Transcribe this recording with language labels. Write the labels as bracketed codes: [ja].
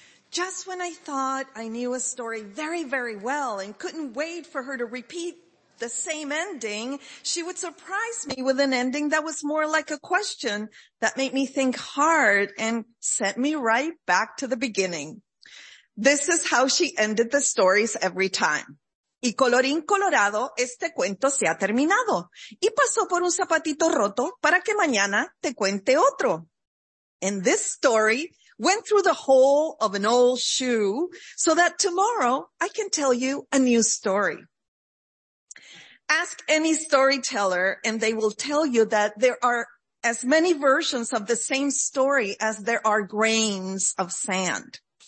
[en] Just when I thought I knew a story very, very well and couldn't wait for her to repeat the same ending, she would surprise me with an ending that was more like a question that made me think hard and sent me right back to the beginning. This is how she ended the stories every time. [es] Y colorín colorado, este cuento se ha terminado. Y pasó por un zapatito roto para que mañana te cuente otro. [en] And this story went through the hole of an old shoe so that tomorrow I can tell you a new story. Ask any storyteller and they will tell you that there are as many versions of the same story as there are grains of sand.